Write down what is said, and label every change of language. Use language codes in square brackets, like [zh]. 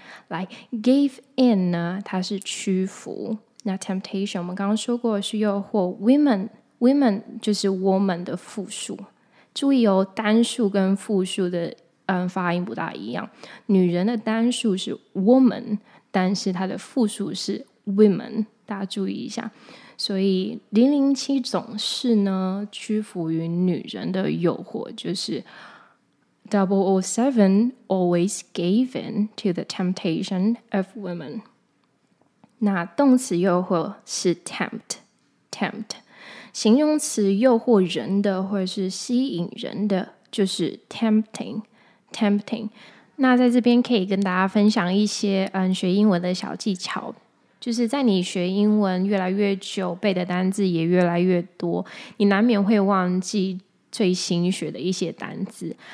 [zh] 来 [en] gave in [zh] 呢，它是屈服，那 temptation 我们刚刚说过是诱惑， women 就是 woman 的复数，注意哦，单数跟复数的发音不大一样，女人的单数是 woman， 但是它的复数是women， 大家注意一下。所以007总是呢屈服于女人的诱惑，就是 [en] 007 always gave in to the temptation of women。 [zh] 那动词诱惑是 tempt， 形容词诱惑人的或是吸引人的就是 tempting。那在这边可以跟大家分享一些学英文的小技巧，就是在你学英文越来越久，背的单字也越来越多，你难免会忘记最新学的一些单字。